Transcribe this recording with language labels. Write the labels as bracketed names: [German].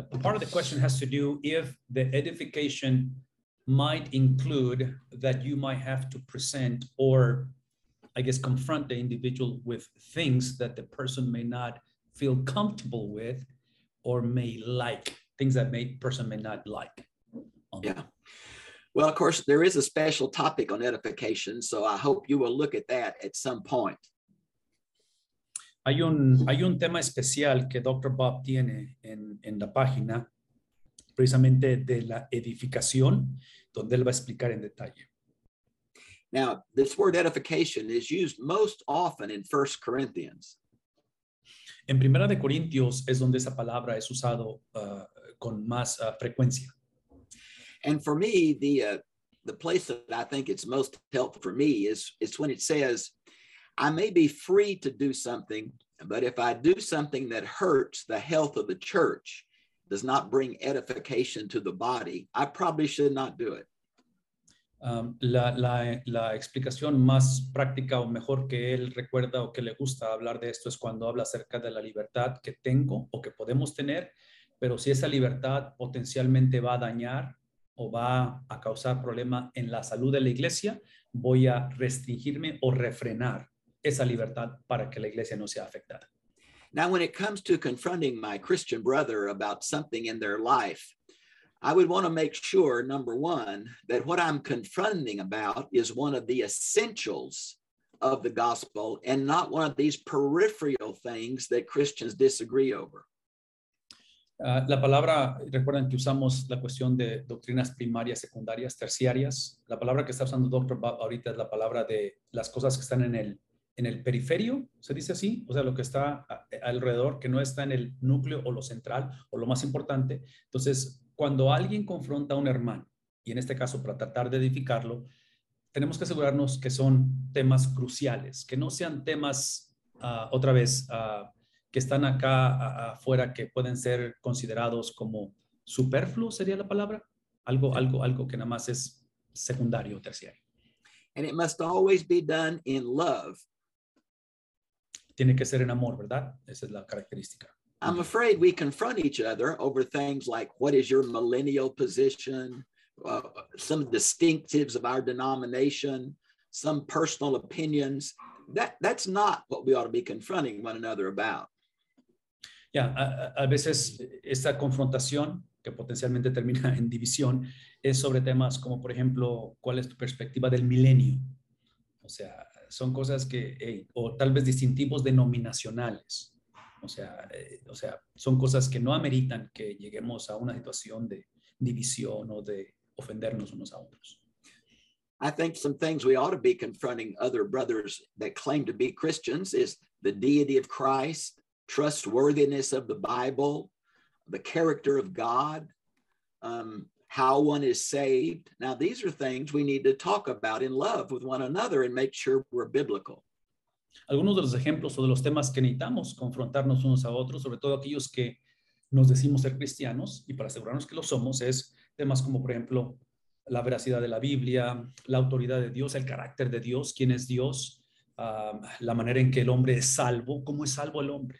[English] Part of the question has to do if the edification might include that you might have to present or, I guess, confront the individual with things that the person may not feel comfortable with or may like, things that may person may not like. Yeah. Well, of course, there is a special topic on edification, so I hope you will look at that at some point. [Spanish] Hay un tema especial que Dr. Bob tiene en la página, precisamente de la edificación, donde él va a explicar en detalle. [English] Now, this word edification is used most often in 1 Corinthians. [Spanish] En Primera de Corintios es donde esa palabra es usado con más frecuencia. [English] And for me, the place that I think it's most helpful for me is when it says, I may be free to do something, but if I do something that hurts the health of the church, does not bring edification to the body, I probably should not do it. [Spanish] La explicación más práctica o mejor que él recuerda o que le gusta hablar de esto es cuando habla acerca de la libertad que tengo o que podemos tener, pero si esa libertad potencialmente va a dañar o va a causar problema en la salud de la iglesia, voy a restringirme o refrenar esa libertad para que la iglesia no sea afectada. [English] Now, when it comes to confronting my Christian brother about something in their life, I would want to make sure, number one, that what I'm confronting about is one of the essentials of the gospel and not one of these peripheral things that Christians disagree over. [Spanish] La palabra, recuerden que usamos la cuestión de doctrinas primarias, secundarias, terciarias. La palabra que está usando Dr. Bob ahorita es la palabra de las cosas que están en el periferio, se dice así, o sea, lo que está alrededor, que no está en el núcleo o lo central o lo más importante. Entonces, cuando alguien confronta a un hermano, y en este caso para tratar de edificarlo, tenemos que asegurarnos que son temas cruciales, que no sean temas, otra vez, que están acá afuera, que pueden ser considerados como superfluo, sería la palabra, algo que nada más es secundario o terciario. [English] And it must always be done in love. [Spanish] Tiene que ser en amor, ¿verdad? Esa es la característica. [English] I'm afraid we confront each other over things like what is your millennial position, some distinctives of our denomination, some personal opinions. That's not what we ought to be confronting one another about. [Spanish] Yeah, a veces esta confrontación que potencialmente termina en división es sobre temas como, por ejemplo, ¿cuál es tu perspectiva del milenio? O sea, son cosas que, hey, o tal vez distintivos denominacionales. O sea, son cosas que no ameritan que lleguemos a una situación de división o de ofendernos unos a otros. [English] I think some things we ought to be confronting other brothers that claim to be Christians is the deity of Christ, trustworthiness of the Bible, the character of God, how one is saved. Now, these are things we need to talk about in love with one another and make sure we're biblical. [Spanish] Algunos de los ejemplos o de los temas que necesitamos confrontarnos unos a otros, sobre todo aquellos que nos decimos ser cristianos y para asegurarnos que lo somos, es temas como, por ejemplo, la veracidad de la Biblia, la autoridad de Dios, el carácter de Dios, quién es Dios, la manera en que el hombre es salvo, cómo es salvo el hombre.